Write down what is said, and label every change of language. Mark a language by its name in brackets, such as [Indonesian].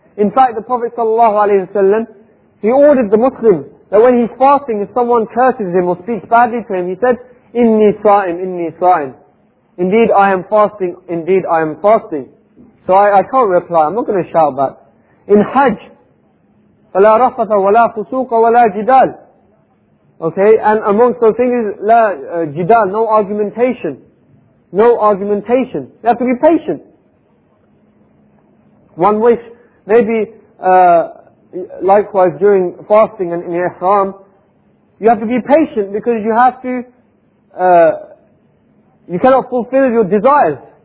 [English] In fact, the Prophet sallallahu alaihi wasallam, he ordered the Muslim that when he's fasting, if someone curses him or speaks badly to him, he said, [Arabic] Inni sa'im. [English] Indeed, I am fasting. Indeed, I am fasting. So I can't reply. I'm not going to shout back. In Hajj, [Arabic] فَلَا رَفَثَ وَلَا فُسُوقَ وَلَا جِدَالٍ [English] Okay, and amongst those things is [Arabic] لا جدال, [English] no argumentation. No argumentation. You have to be patient. One wish, maybe likewise during fasting and in ihram, you have to be patient because you have to, you cannot fulfill your desires.